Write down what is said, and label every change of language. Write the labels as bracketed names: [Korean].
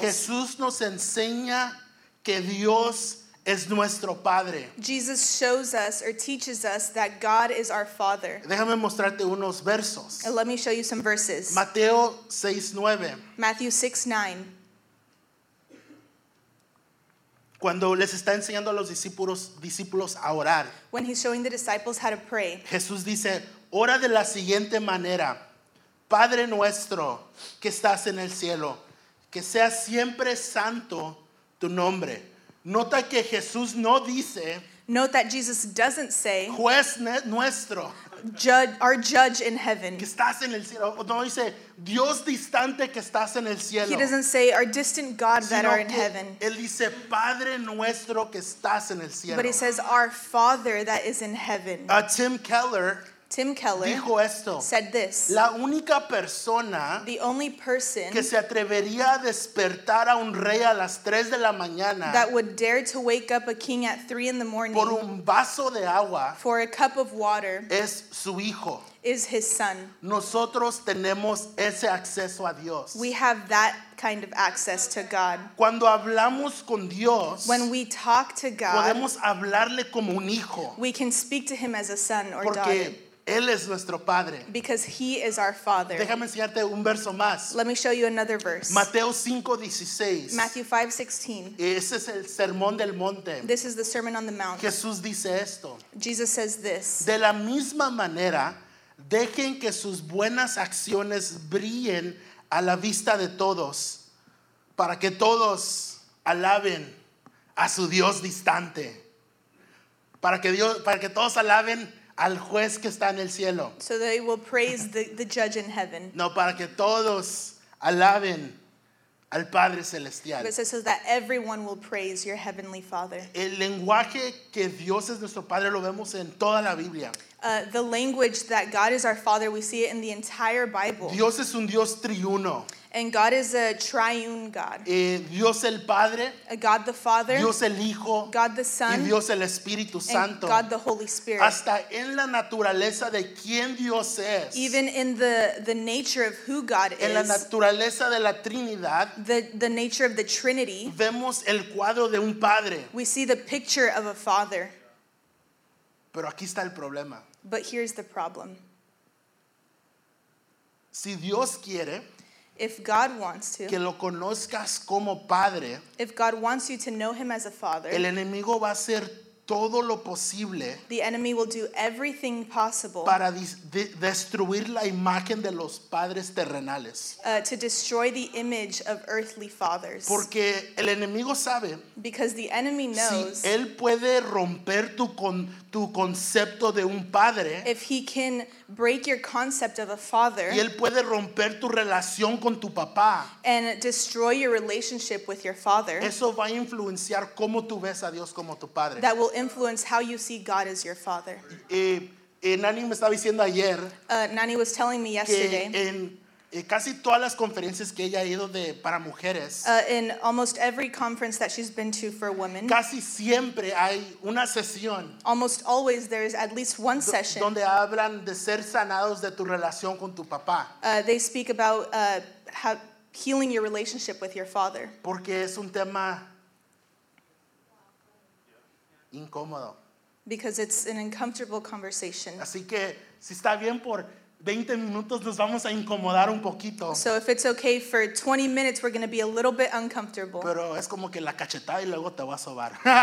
[Spanish] Jesús nos enseña que Dios es nuestro Padre. [English] Jesus shows us or teaches us that God is our Father. [Spanish] Déjame mostrarte unos versos. [English] And let me show you some verses. [Spanish] Mateo 6:9. [English] Matthew 6:9. [Spanish] Cuando les está enseñando a los discípulos a orar. [English] When he's showing the disciples how to pray. [Spanish] Jesús dice, ora de la siguiente manera. Padre nuestro que estás en el cielo, que sea siempre santo tu nombre. Nota que Jesús no dice. [English] Note that Jesus doesn't say, [Spanish] juez nuestro, [English] our judge in heaven. [Spanish] Que estás en el cielo. No dice, Dios distante que estás en el cielo. [English] He doesn't say, our distant God that are in heaven. [Spanish] Él dice, Padre nuestro que estás en el cielo. [English] But he says, our Father that is in heaven. [Spanish] Tim Keller dijo esto, [English] said this. [Spanish] La única persona, [English] the only person [Spanish] que se atrevería a despertar a un rey a las 3 de la mañana, [English] that would dare to wake up a king at 3 in the morning, [Spanish] por un vaso de agua, [English] for a cup of water, [Spanish] es su hijo. [English] Is his son. [Spanish] Nosotros tenemos ese acceso a Dios. [English] We have that kind of access to God. [Spanish] Cuando hablamos con Dios, [English] when we talk to God, [Spanish] podemos hablarle como un hijo. [English] We can speak to him as a son or [Spanish] porque [English] daughter. [Spanish] Él es nuestro padre. [English] Because he is our father. [Spanish] Déjame enseñarte un verso más. [English] Let me show you another verse. [Spanish] Mateo 5:16. [English] Matthew 5:16. [Spanish] Ese es el sermón del monte. [English] This is the sermon on the mount. [Spanish] Jesús dice esto. [English] Jesus says this. [Spanish] De la misma manera, dejen que sus buenas acciones brillen a la vista de todos, para que todos alaben a su Dios distante. Para que todos alaben al juez que está en el cielo. [English] So they will praise the judge in heaven. [Spanish] No, para que todos alaben al Padre Celestial. [English] But it says that everyone will praise your heavenly Father. [Spanish] El lenguaje que Dios es nuestro Padre lo vemos en toda la Biblia. [English] The language that God is our Father, we see it in the entire Bible. [Spanish] Dios es un Dios triuno. [English] And God is a triune God. [Spanish] Dios el Padre. [English] God the Father. [Spanish] Dios el Hijo. [English] God the Son. [Spanish] Y Dios el Espíritu Santo. [English] And God the Holy Spirit. [Spanish] Hasta en la naturaleza de quién Dios es. [English] Even in the nature of who God is. [Spanish] En la naturaleza de la Trinidad. [English] The nature of the Trinity. [Spanish] Vemos el cuadro de un padre. [English] We see the picture of a father. [Spanish] Pero aquí está el problema. [English] But here's the problem. [Spanish] Si Dios quiere, [English] if God wants to, [Spanish] que lo conozcas como padre, [English] if God wants you to know him as a father, [Spanish] el enemigo va a hacer todo lo posible, [English] the enemy will do everything possible, [Spanish] para destruir la imagen de los padres terrenales, [English] to destroy the image of earthly fathers. [Spanish] Porque el enemigo sabe, [English] because the enemy knows, [Spanish] si él puede romper tu concepto de un padre, [English] if he can break your concept of a father, [Spanish] y él puede romper tu relación con tu papá, [English] and destroy your relationship with your father, [Spanish] eso va a influenciar cómo tú ves a Dios como tu padre. [English] That will influence how you see God as your father. [Spanish] Nani me estaba diciendo ayer, [English] Nani was telling me yesterday, [Spanish] que en casi todas las conferencias que ella ha ido de para mujeres, [English] in almost every conference that she's been to for women, [Spanish] casi siempre hay una sesión, [English] almost always there is at least one session, [Spanish] donde hablan de ser sanados de tu relación con tu papá. [English] They speak about healing your relationship with your father. [Spanish] Porque es un tema incómodo. [English] Because it's an uncomfortable conversation. [Spanish] Así que si está bien por 20 minutos nos vamos a incomodar un poquito. [English] So if it's okay for 20 minutes we're going to be a little bit uncomfortable. [Spanish] Pero es como que la cachetada y luego te va a sobar.